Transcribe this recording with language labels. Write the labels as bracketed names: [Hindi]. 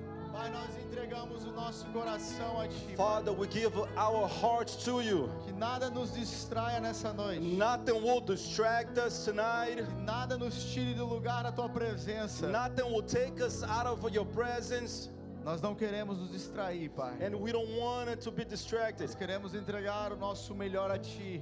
[Portuguese] Pai, nós entregamos o nosso coração a ti. [English] Father, we give our hearts to you. [Portuguese] Que nada nos distraia nessa noite. [English] Nothing will distract us tonight. [Portuguese] Que nada nos tire do lugar da tua presença. [English] Nothing will take us out of your presence. [Portuguese] Nós não queremos nos distrair, Pai. [English] And we don't want to be distracted. [Portuguese] Nós queremos entregar o nosso melhor a ti.